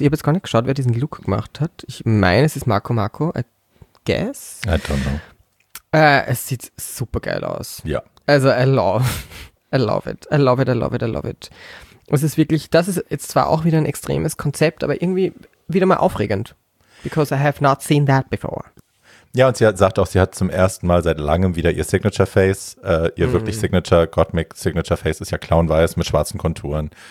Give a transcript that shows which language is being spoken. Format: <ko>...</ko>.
<de>Ich habe jetzt gar nicht geschaut, wer diesen Look gemacht hat. Ich meine, es ist Marco,</de> <en>I guess. I don't know.</en> <de>Es sieht super geil aus. Ja. Also</de> <en>I love it.</en> <de>Es ist wirklich, das ist jetzt zwar auch wieder ein extremes Konzept, aber irgendwie wieder mal aufregend.</de> <en>Because I have not seen that before.</en> <de>Ja, und sie sagt auch, sie hat zum ersten Mal seit langem wieder ihr Signature-Face. Ihr wirklich Gottmik-Signature-Face ist ja clownweiß mit schwarzen Konturen.</de>